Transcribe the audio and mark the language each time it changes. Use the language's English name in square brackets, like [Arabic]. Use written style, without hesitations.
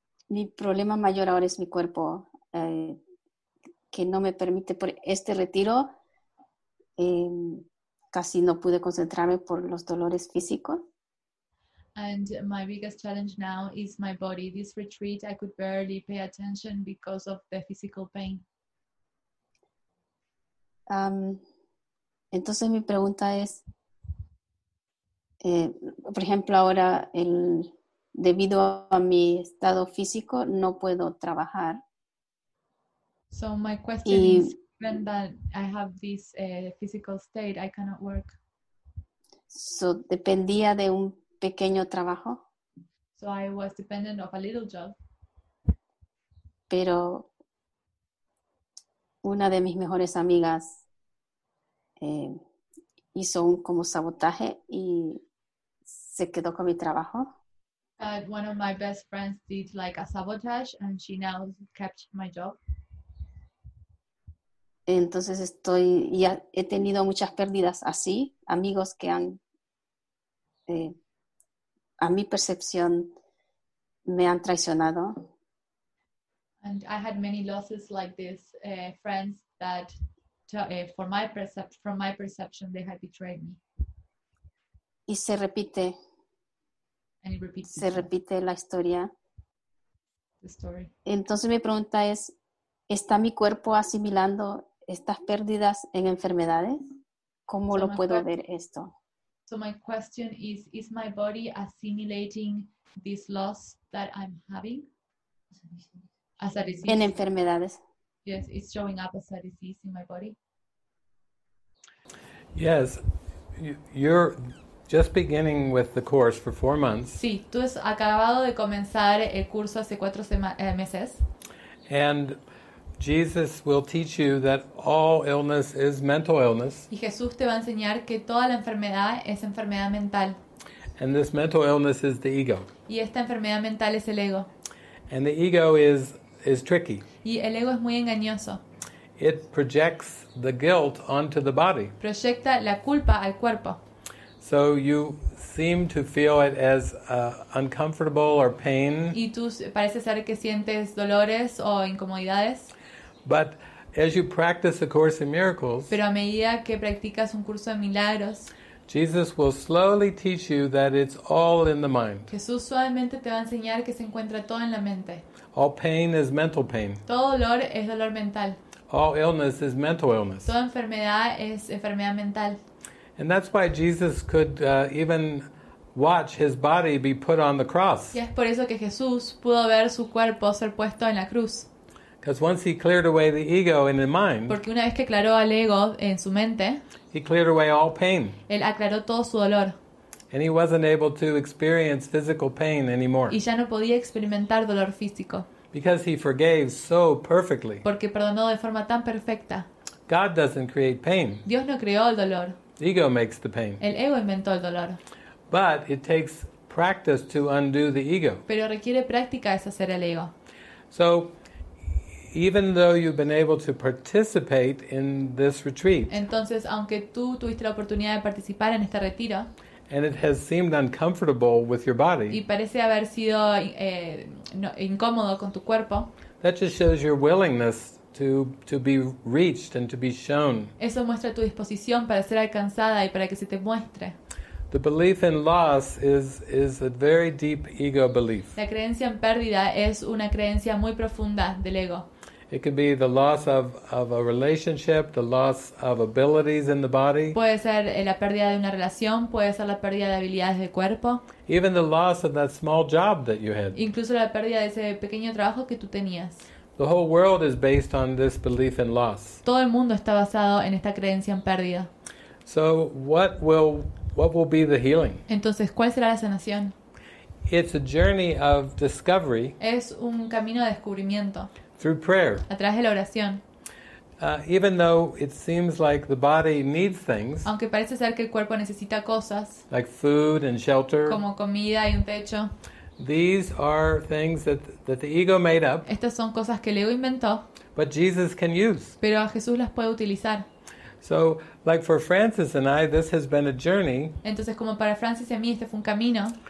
[Spanish] Mi problema mayor ahora es mi cuerpo, que no me permite por este retiro. Casi no pude concentrarme por los dolores físicos. [English] And my biggest challenge now is my body. This retreat, I could barely pay attention because of the physical pain. [Spanish] Entonces mi pregunta es, por ejemplo, ahora el debido a mi estado físico, no puedo trabajar. [English] So my question is, given that I have this physical state, I cannot work. [Spanish] So dependía de un pequeño trabajo. [English] So I was dependent of a little job. [Spanish] Pero una de mis mejores amigas hizo un como sabotaje y se quedó con mi trabajo. [English] But one of my best friends did like a sabotage and she now kept my job. [Spanish] Entonces estoy, ya he tenido muchas pérdidas así, amigos que han, a mi percepción, me han traicionado. [English] And I had many losses like this, friends that, from my perception, they had betrayed me. [Spanish] Y se repite. [English] And it repeats. [Spanish] Se repite la historia. [English] The story. [Spanish] Entonces mi pregunta es, ¿está mi cuerpo asimilando estas pérdidas en enfermedades? ¿Cómo lo puedo ver esto? [English] So my question is my body assimilating this loss that I'm having as a disease? [Spanish] En enfermedades. [English] Yes, it's showing up as a disease in my body. Yes, you're just beginning with the course for 4 months. [Spanish] Sí, tú has acabado de comenzar el curso hace 4 meses. [English] And Jesus will teach you that all illness is mental illness. [Spanish] Y Jesús te va a enseñar que toda la enfermedad es enfermedad mental. [English] And this mental illness is the ego. [Spanish] Y esta enfermedad mental es el ego. [English] And the ego is tricky. [Spanish] Y el ego es muy engañoso. [English] It projects the guilt onto the body. [Spanish] Proyecta la culpa al cuerpo. [English] So you seem to feel it as uncomfortable or pain. [Spanish] Y tú parece ser que sientes dolores o incomodidades. [English] But as you practice the Course in Miracles, [Spanish] pero a medida que practicas un curso de milagros, [English] Jesus will slowly teach you that it's all in the mind. [Spanish] Jesús suavemente te va a enseñar que se encuentra todo en la mente. [English] All pain is mental pain. [Spanish] Todo dolor es dolor mental. [English] All illness is mental illness. [Spanish] Toda enfermedad es enfermedad mental. [English] And that's why Jesus could even watch his body be put on the cross. [Spanish] Y es por eso que Jesús pudo ver su cuerpo ser puesto en la cruz. [English] Because once he cleared away the ego in his mind, [Spanish] porque una vez que aclaró al ego en su mente, [English] he cleared away all pain. [Spanish] Él aclaró todo su dolor. [English] And he wasn't able to experience physical pain anymore. [Spanish] Y ya no podía experimentar dolor físico. [English] Because he forgave so perfectly. [Spanish] Porque perdonó de forma tan perfecta. [English] God doesn't create pain. [Spanish] Dios no creó el dolor. [English] Ego makes the pain. [Spanish] El ego inventó el dolor. [English] But it takes practice to undo the ego. [Spanish] Pero requiere práctica deshacer el ego. [English] So, even though you've been able to participate in this retreat, [Spanish] entonces, aunque tú tuviste la oportunidad de participar en este retiro, [English] and it has seemed uncomfortable with your body, [Spanish] y parece haber sido incómodo con tu cuerpo, [English] that just shows your willingness to be reached and to be shown. [Spanish] Eso muestra tu disposición para ser alcanzada y para que se te muestre. [English] The belief in loss is a very deep ego belief. [Spanish] La creencia en pérdida es una creencia muy profunda del ego. [English] It could be the loss of a relationship, the loss of abilities in the body. [Spanish] Puede ser la pérdida de una relación, puede ser la pérdida de habilidades del cuerpo. [English] Even the loss of that small job that you had. [Spanish] Incluso la pérdida de ese pequeño trabajo que tú tenías. [English] The whole world is based on this belief in loss. [Spanish] Todo el mundo está basado en esta creencia en pérdida. [English] So what will be the healing? [Spanish] Entonces, ¿cuál será la sanación? [English] It's a journey of discovery. [Spanish] Es un camino de descubrimiento. [English] Through prayer. [Spanish] A través de la oración. [English] Even though it seems like the body needs things. [Spanish] Aunque parece ser que el cuerpo necesita cosas. [English] Like food and shelter. [Spanish] Como comida y un techo. [English] These are things that the ego made up. [Spanish] Estas son cosas que el ego inventó. [English] But Jesus can use. [Spanish] Pero a Jesús las puede utilizar. [English] So, like for Francis and I, this has been a journey. [Spanish] Entonces, como para Francis y a mí, este fue un camino.